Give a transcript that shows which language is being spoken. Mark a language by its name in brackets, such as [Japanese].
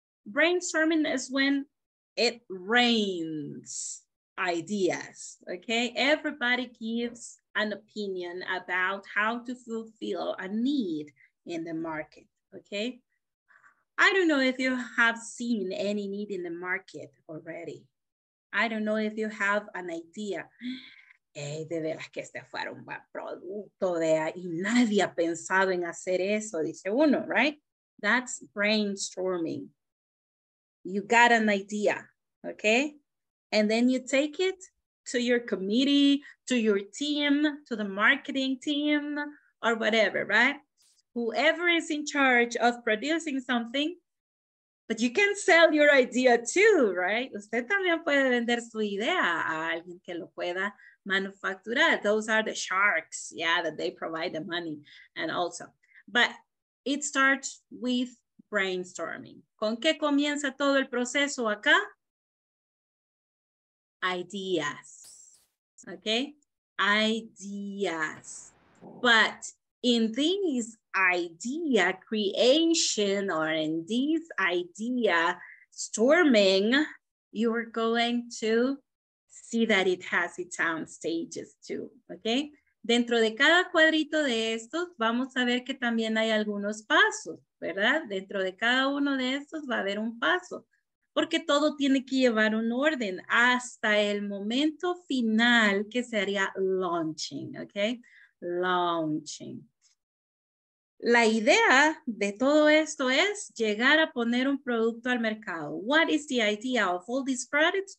[English] Brainstorming is when it rains ideas, okay? Everybody gives an opinion about how to fulfill a need in the market, okay? I don't know if you have seen any need in the market already. I don't know if you have an idea. [Spanish] Hey, de veras que este fuera un buen producto, vea, y nadie ha pensado en hacer eso, dice uno, right? [English] That's brainstorming. You got an idea, okay? And then you take it to your committee, to your team, to the marketing team, or whatever, right? Whoever is in charge of producing something. But you can sell your idea too, right? [Spanish] Usted también puede vender su idea a alguien que lo pueda manufacturar. [English] Those are the sharks, yeah, that they provide the money and also. But it starts with brainstorming. [Spanish] ¿Con qué comienza todo el proceso acá? [English] Ideas, okay? Ideas. But in these idea creation or in these idea storming, you're going to see that it has its own stages too, okay? [Spanish] Dentro de cada cuadrito de estos, vamos a ver que también hay algunos pasos, ¿verdad? Dentro de cada uno de estos va a haber un paso, porque todo tiene que llevar un orden hasta el momento final, que sería launching, ¿ok? Launching. La idea de todo esto es llegar a poner un producto al mercado. [English] What is the idea of all these products?